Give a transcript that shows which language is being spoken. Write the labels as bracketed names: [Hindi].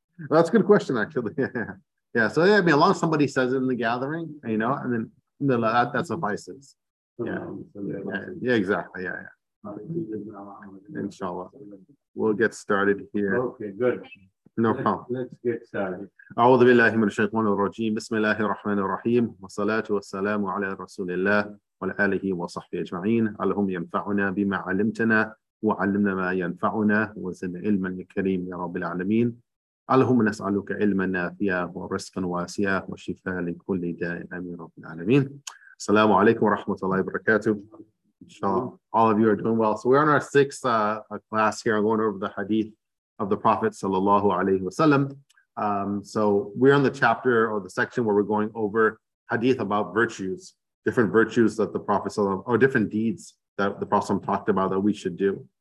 [English] That's a good question, actually. Yeah. So yeah, along somebody says it in the gathering, and then that suffices. Yeah. Yeah. Exactly. Yeah. Inshallah, we'll get started here. Okay. Good. No problem. Let's get started. [Arabic] أعوذ بالله من الشيطان الرجيم بسم الله الرحمن الرحيم والصلاة والسلام على رسول الله وعلى آله وصحبه أجمعين اللهم ينفعنا بما علمتنا وعلمنا ما ينفعنا وزدنا علما كريما يا رب العالمين اللهم نسألك علما نافعا ورزقا واسعا وشفاء لكل داء آمين رب العالمين السلام عليكم ورحمة الله وبركاته. [English] Inshallah, all of you are doing well. So we're on our sixth class here, going over the hadith of the Prophet sallallahu alaihi wasallam. So we're in the chapter or the section where we're going over hadith about virtues, different virtues that the Prophet or different deeds that the Prophet talked about that we should do.